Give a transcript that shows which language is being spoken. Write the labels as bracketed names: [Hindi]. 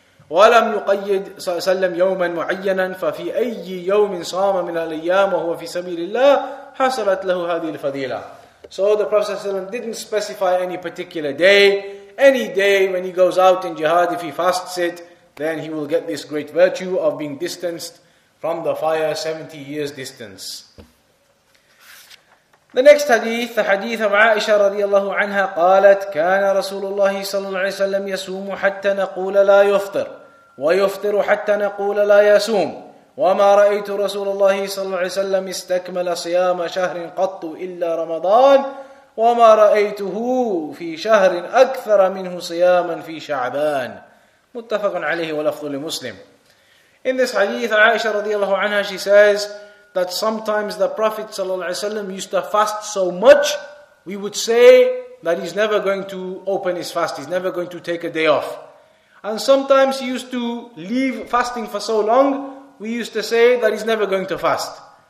[Arabic] وَلَمْ يُقَيِّدْ صَلَّى اللَّهُ عَلَيْهِ وَسَلَّمْ يَوْمًا مُعَيَّنًا فَفِي أَيِّ يَوْمٍ صَامَ مِنَ الْأَيَّامِ وَهُوَ فِي سَبِيلِ اللَّهِ حَصَلَتْ لَهُ هَذِهِ الْفَضِيلَةِ. [English] So the Prophet ﷺ didn't specify any particular day. Any day when he goes out in jihad, if he fasts it, then he will get this great virtue of being distanced from the fire 70 years distance. The next hadith, the hadith of Aisha radiallahu anha, [Arabic] قالت كان رسول الله صلى الله عليه وسلم يسوم حتى نقول لا يفطر ويفطر حتى نقول لا يسوم وما رأيت رسول الله صلى الله عليه وسلم استكمل صيام شهر قط إلا رمضان وما رأيته في شهر أكثر منه صياما في شعبان. متفق عليه ولفظ لمسلم. [English] In this hadith, Aisha radiallahu anha, she says that sometimes the Prophet ﷺ used to fast so much, we would say that he's never going to open his fast, he's never going to take a day off. And sometimes he used to leave fasting for so long, we used to say that he's never going to fast.